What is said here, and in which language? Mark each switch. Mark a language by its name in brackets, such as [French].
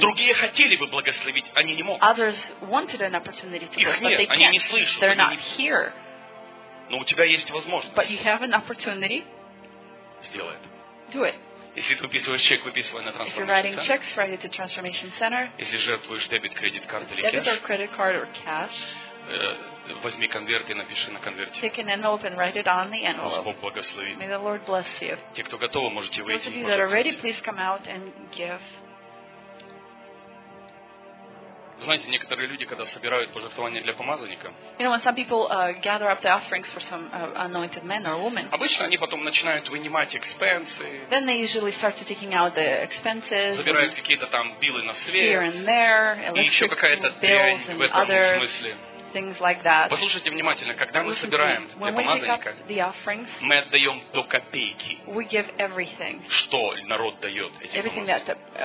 [Russian] Другие хотели бы благословить, они не могут. [English] Others wanted an opportunity to bless, but they can't. [Russian] Они не слышат, [English] They're [Russian] они [English] not [Russian] не... [English] here. [Russian] Но у тебя есть возможность. [English] But you have an opportunity. [Russian] Сделай это. [English] Do it. [Russian] Если ты выписываешь чек, выписывай на transformation. [English] If you're writing checks, write it to transformation center. [Russian] Если жертвуешь дебет, кредит, карт или [English] Debit or credit card or cash. [Russian] Возьми конверт и напиши на конверте. [English] Take an envelope and write it on the envelope. [Russian] Бог благослови. [English] May the Lord bless you. [Russian] Те, кто готовы, можете выйти. [English] Those of you that are ready, please come out and give. [Russian] Знаете, некоторые люди, когда собирают пожертвования для помазанника, [English] you know, when some people gather up the offerings for some anointed man or woman, [Russian] обычно они потом начинают вынимать экспенсы, [English] then they usually start taking out the expenses, [Russian] забирают какие-то там биллы на свет, [English] here and there, [Russian] и еще какая-то дрянь в этом [English] other... [Russian] смысле. [English] Things like that. [Russian] Послушайте внимательно, когда мы собираем для помазанника, мы отдаем до копейки, [English] we give everything. [Russian] Что народ дает этим помазанникам.